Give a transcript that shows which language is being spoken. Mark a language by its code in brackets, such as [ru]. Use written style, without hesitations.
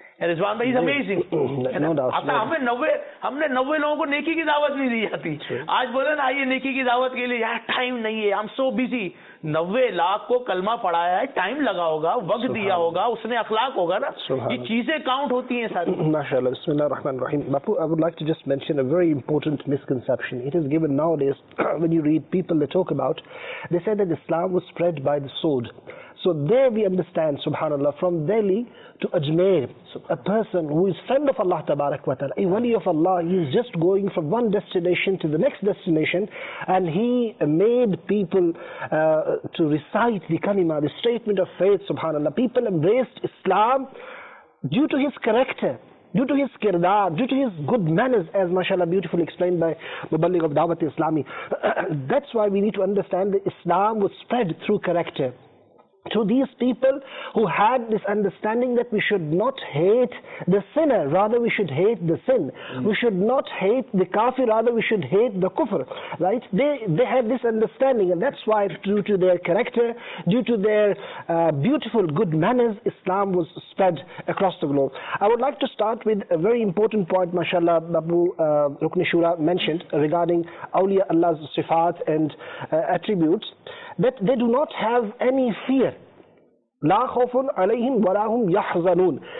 [ur] رضوان بھائی [en] Is amazing. [ur] ہمیں نوے لوگوں کو نیکی کی دعوت نہیں دی جاتی. آج بولے نا آئیے نیکی کی دعوت کے لیے, یار ٹائم نہیں ہے, ہم [en] So busy. [ur] 90 لاکھ کو کلمہ پڑھایا ہے, ٹائم لگا ہوگا, وقت دیا ہوگا, اس نے اخلاق ہوگا نا, یہ چیزیں کاؤنٹ ہوتی ہیں ساری. ماشاء اللہ, بسم اللہ الرحمن الرحیم. [en] Bapu, I would like to just mention a very important misconception. It is given nowadays when you read people they talk about, they say that Islam was spread by the sword. So there we understand, subhanAllah, from Delhi to Ajmer, a person who is friend of Allah tabarak wa ta'ala, a wali of Allah, he is just going from one destination to the next destination, and he made people to recite the kalima, the statement of faith, subhanAllah. People embraced Islam due to his character, due to his kirdar, due to his good manners, as mashallah beautifully explained by Muballigh of Dawat-e-Islami. That's why we need to understand that Islam was spread through character. To these people who had this understanding that we should not hate the sinner, rather we should hate the sin. We should not hate the kafir, rather we should hate the kufr. Right? They had this understanding, and that's why due to their character, due to their beautiful good manners, Islam was spread across the globe. I would like to start with a very important point, mashallah, Babu Ruknishura mentioned regarding Awliya Allah's sifat and attributes. That they do not have any fear. [ar] لا خوف عليهم ولا هم يحزنون.